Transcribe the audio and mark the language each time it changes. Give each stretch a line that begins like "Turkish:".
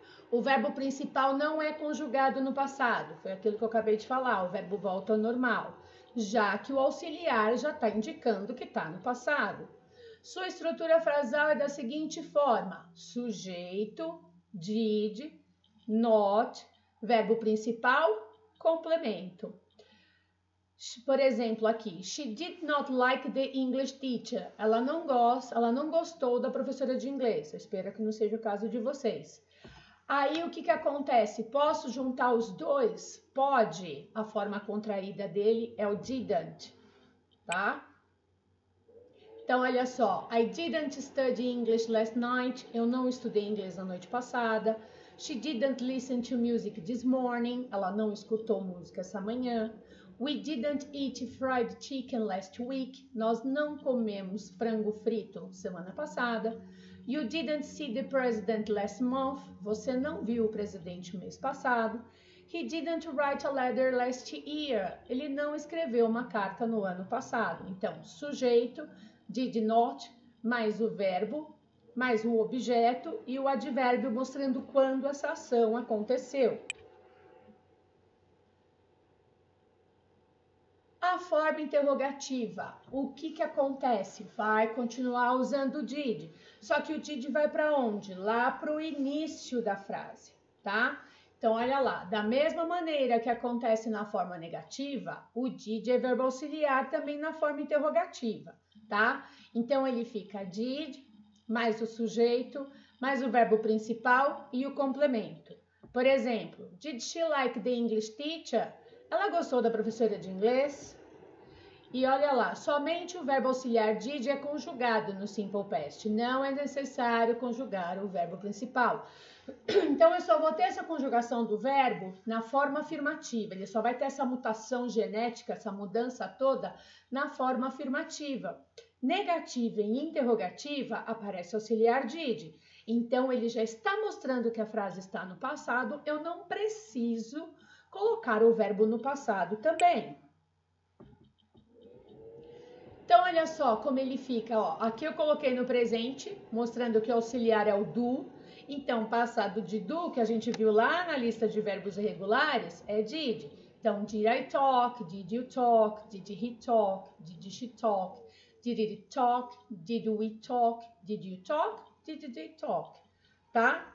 Portuguese: O verbo principal não é conjugado no passado, foi aquilo que eu acabei de falar, o verbo volta ao normal, já que o auxiliar já está indicando que está no passado. Sua estrutura frasal é da seguinte forma: sujeito, did, not, verbo principal, complemento. Por exemplo, aqui,
English: she did not like the English teacher.
Portuguese: Ela não gostou da professora de inglês. Eu espero que não seja o caso de vocês. Aí, o que acontece? Posso juntar os dois? Pode. A forma contraída dele é o didn't, tá? Então, olha só.
English: I didn't study English last night.
Portuguese: Eu não estudei inglês na noite passada.
English: She didn't listen to music this morning.
Portuguese: Ela não escutou música essa manhã.
English: We didn't eat fried chicken last week.
Portuguese: Nós não comemos frango frito semana passada.
English: You didn't see the president last month.
Portuguese: Você não viu o presidente mês passado.
English: He didn't write a letter last year.
Portuguese: Ele não escreveu uma carta no ano passado. Então, sujeito, did not, mais o verbo, mais o objeto e o advérbio mostrando quando essa ação aconteceu. A forma interrogativa, o que que acontece? Vai continuar usando o did, só que o did vai para onde? Lá para o início da frase, tá? Então, olha lá, da mesma maneira que acontece na forma negativa, o did é verbo auxiliar também na forma interrogativa, tá? Então, ele fica did, mais o sujeito, mais o verbo principal e o complemento. Por exemplo,
English: did she like the English teacher?
Portuguese: Ela gostou da professora de inglês? E olha lá, somente o verbo auxiliar did é conjugado no simple past. Não é necessário conjugar o verbo principal. Então, eu só vou ter essa conjugação do verbo na forma afirmativa. Ele só vai ter essa mutação genética, essa mudança toda na forma afirmativa. Negativa e interrogativa, aparece auxiliar did. Então, ele já está mostrando que a frase está no passado. Eu não preciso colocar o verbo no passado também. Então, olha só como ele fica. Ó, aqui eu coloquei no presente, mostrando que o auxiliar é o do. Então, passado de do, que a gente viu lá na lista de verbos irregulares, é did. Então,
English: did I talk, did you talk, did he talk, did she talk, did it talk, did we talk, did they talk,
Portuguese: tá?